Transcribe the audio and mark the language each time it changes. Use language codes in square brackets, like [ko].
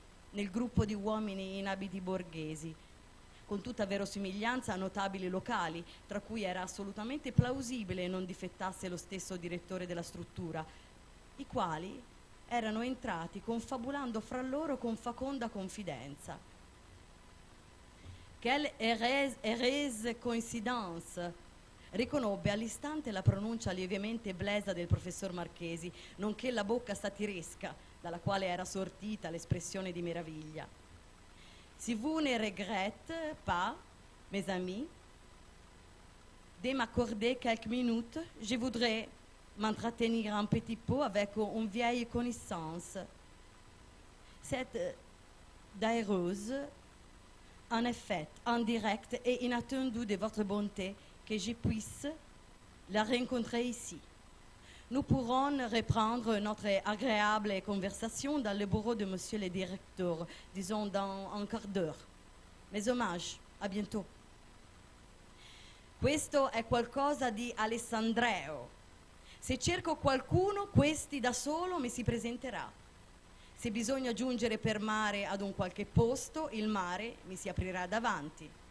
[it] nel gruppo di uomini in abiti borghesi, con tutta verosimiglianza a notabili locali, tra cui era assolutamente plausibile non difettasse lo stesso direttore della struttura, i quali erano entrati confabulando fra loro con faconda confidenza. «Quelle heureuse coincidence!» riconobbe all'istante la pronuncia lievemente blesa del professor Marchesi, nonché la bocca satiresca dalla quale era sortita l'espressione di meraviglia. [fr] «Si vous ne regrette pas, mes amis, de m'accorder quelques minutes, je voudrais m'entretenir un petit peu avec une vieille connaissance. Cette d'aéreuse, en effet, en direct et inattendue de votre bonté, que je puisse la rencontrer ici. Nous pourrons reprendre notre agréable conversation dans le bureau de monsieur le directeur, disons dans un quart d'heure. Mes hommages, à bientôt. [it] » Questo è qualcosa di alessandreo. Se cerco qualcuno, questi da solo mi si presenterà. Se bisogna giungere per mare ad un qualche posto, il mare mi si aprirà davanti.